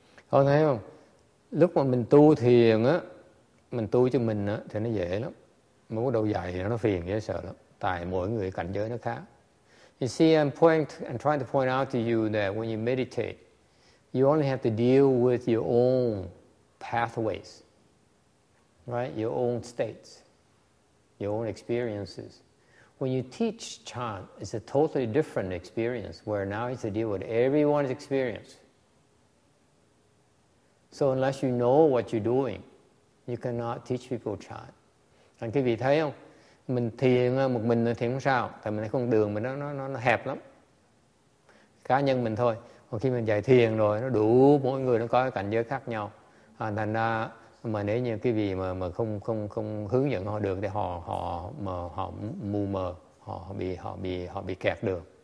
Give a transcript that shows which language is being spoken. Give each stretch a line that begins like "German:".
Vietnamese: Con thấy không? Lúc mà mình tu thiền á, mình tu cho mình á, thì nó dễ lắm. Mà bắt đầu dạy nó phiền dễ sợ lắm. Tại mỗi người cảnh giới nó khác.
English: You see, I'm trying to point out to you that when you meditate, you only have to deal with your own pathways, right? Your own states, your own experiences. When you teach chant, it's a totally different experience where now you have to deal with everyone's experience. So unless you know what you're doing, you cannot teach people chant.
Vietnamese: Anh quý vị thấy không? Mình thiền một mình thì không sao, tại mình thấy con đường mình nó hẹp lắm, cá nhân mình thôi. Còn khi mình dạy thiền rồi, nó đủ mỗi người nó có cái cảnh giới khác nhau. Thành ra mà nếu như cái gì mà không hướng dẫn họ được thì họ mù mờ, họ bị kẹt được.